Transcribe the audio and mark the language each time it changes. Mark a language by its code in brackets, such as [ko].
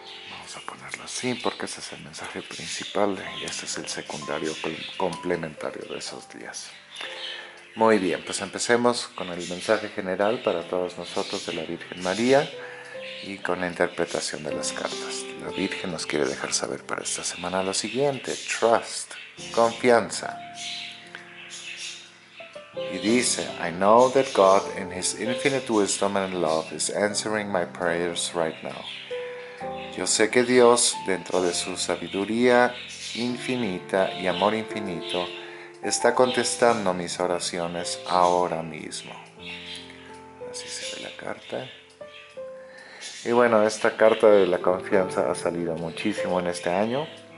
[es] Vamos a ponerlo así porque ese es el mensaje principal y este es el secundario complementario de esos días. Muy bien, pues empecemos con el mensaje general para todos nosotros de la Virgen María y con la interpretación de las cartas. La Virgen nos quiere dejar saber para esta semana lo siguiente: trust, confianza. Y dice: [en] I know that God in His infinite wisdom and love is answering my prayers right now. [es] Yo sé que Dios, dentro de su sabiduría infinita y amor infinito, está contestando mis oraciones ahora mismo. Así se ve la carta. Y bueno, esta carta de la confianza ha salido muchísimo en este año.